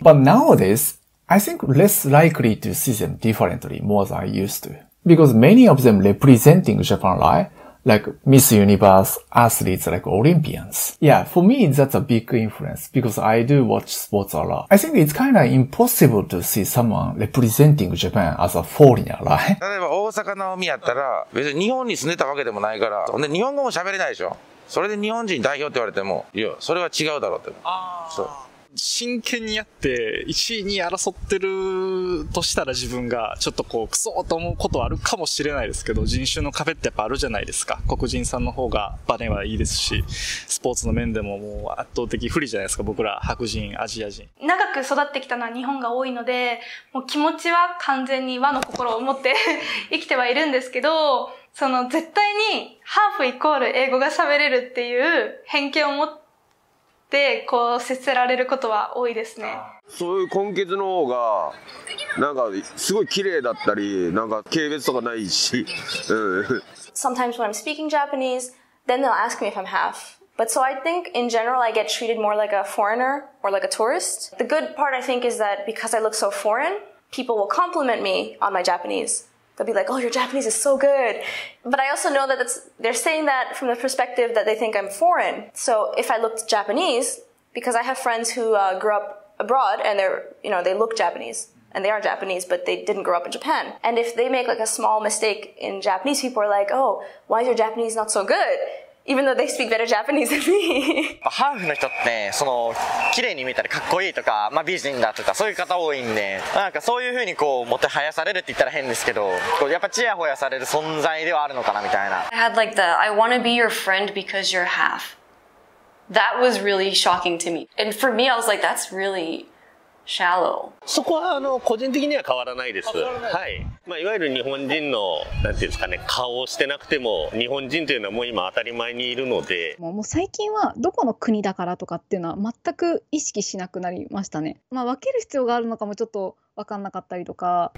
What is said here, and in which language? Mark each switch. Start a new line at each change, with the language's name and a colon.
English: But nowadays, I think less likely to see them differently more than I used to. Because many of them representing Japan like Miss Universe, athletes like Olympians. Yeah, for me, that's a big influence because I do watch sports a lot. I think it's kind of impossible to see someone representing Japan as a foreigner, right?
Japanese: 例えば大阪なおみやったら、別に日本に住んでたわけでもないから、ほんで日本語も喋れないでしょ。それで日本人代表って言われても、いや、それは違うだろうって。ああ。そう。真剣にやって1位に争ってるとしたら自分がちょっとこうクソと思うことはあるかもしれないですけど、人種の壁ってやっぱあるじゃないですか。黒人さんの方がバネはいいですし、スポーツの面でももう圧倒的不利じゃないですか、僕ら白人アジア人。長く育ってきたのは日本が多いので、もう気持ちは完全に和の心を持って生きてはいるんですけど、その絶対にハーフイコール英語が喋れるっていう偏見を持ってで、こう、接せられることは多いですね。そういう根血の方が、なんか、すごい綺麗だったり、なんか、軽蔑とかないし。
English: Sometimes when I'm speaking Japanese, then they'll ask me if I'm half. But so I think, in general, I get treated more like a foreigner or like a tourist. The good part, I think, is that because I look so foreign, people will compliment me on my Japanese. They'll be like, oh, your Japanese is so good. But I also know that they're saying that from the perspective that they think I'm foreign. So if I looked Japanese, because I have friends who grew up abroad and they're, you know, they look Japanese and they are Japanese, but they didn't grow up in Japan. And if they make like a small mistake in Japanese, people are like, oh, why is your Japanese not so good? Even though they speak better Japanese than me.
Japanese: まあ、ハーフの人ってその綺麗に見たらかっこいいとか、まあ、美人だとかそういう方多いんで、なんかそういう風にこうもてはやされるって言ったら変ですけど、こうやっぱチヤホヤされる存在ではあるのかなみたいな。
English: I had like the I want to be your friend because you're half. That was really shocking to me. And for me, I was like, that's really shallow.
Japanese: そこはあの個人的には変わらないです。はい。まあ、いわゆる日本人の、なんていうんですかね、顔をしてなくても、日本人というのはもう今当たり前にいるので。もう最近は、どこの国だからとかっていうのは全く意識しなくなりましたね。まあ、分ける必要があるのかもちょっと分かんなかったりとか。